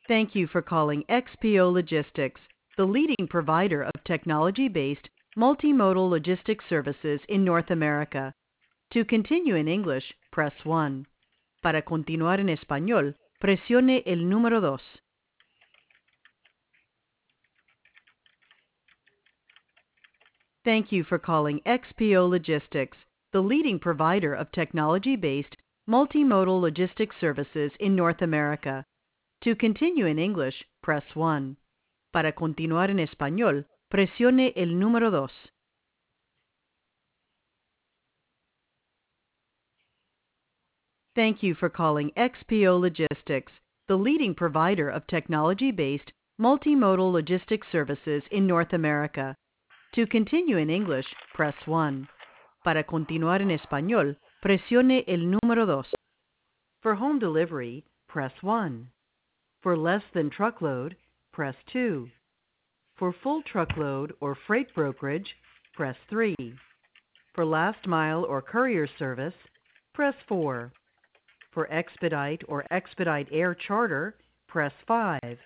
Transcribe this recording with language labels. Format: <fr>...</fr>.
<en>Thank you for calling XPO Logistics, the leading provider of technology-based multimodal logistics services in North America. To continue in English, press 1.</en> <es>Para continuar en español, presione el número 2.</es> <en>Thank you for calling XPO Logistics, the leading provider of technology-based multimodal logistics services in North America. To continue in English, press 1.</en> <es>Para continuar en español, presione el número 2.</es> <en>Thank you for calling XPO Logistics, the leading provider of technology-based multimodal logistics services in North America. To continue in English, press 1.</en> <es>Para continuar en español, presione el número 2.</es> <en>For home delivery, press 1. For less than truckload, press 2. For full truckload or freight brokerage, press 3. For last mile or courier service, press 4. For expedite or expedite air charter, press 5.</en>